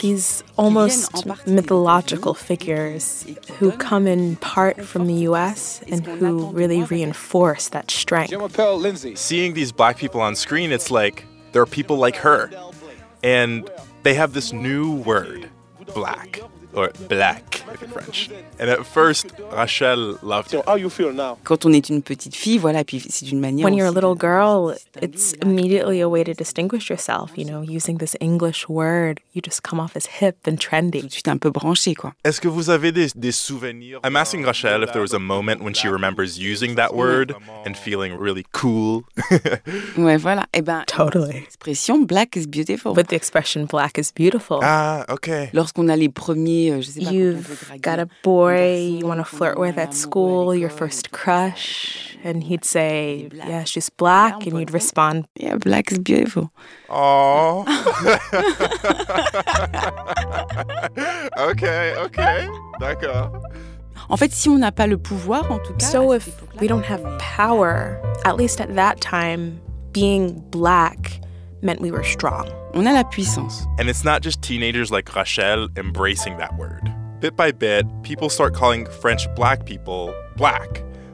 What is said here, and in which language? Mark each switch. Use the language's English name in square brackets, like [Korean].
[English] These almost mythological figures who come in part from the U.S. and who really reinforce that strength. Seeing these black people on screen, it's like there are people like her. And they have this new word, black, or black if you're French. And at first, Rachel loved it. So how you feel now? [French] Quand on est une petite fille, voilà, puis c'est d'une manière. [English] When you're a little girl, it's immediately a way to distinguish yourself, you know, using this English word, you just come off as hip and trendy. [French] Tu es un peu branché, quoi. Est-ce que vous avez des souvenirs? [English] I'm asking Rachel if there was a moment when she remembers using that word and feeling really cool. [French] Ouais, voilà. Eh ben, [English] totally. [French] L'expression [English] black is beautiful. But the expression black is beautiful. Ah, okay. [French] Lorsqu'on a les premiers, je sais pas. [English] You've got a boy you want to flirt with at school, your first crush, and he'd say, yeah, she's black, and you'd respond, yeah, black is beautiful. Aww. Okay, okay. [French] D'accord. En fait, si on n'a pas le pouvoir, en tout cas... [English] So if we don't have power, at least at that time, being black meant we were strong. [French] On a la puissance. [English] And it's not just teenagers like Rachel embracing that word. Bit by bit, people start calling French black people black.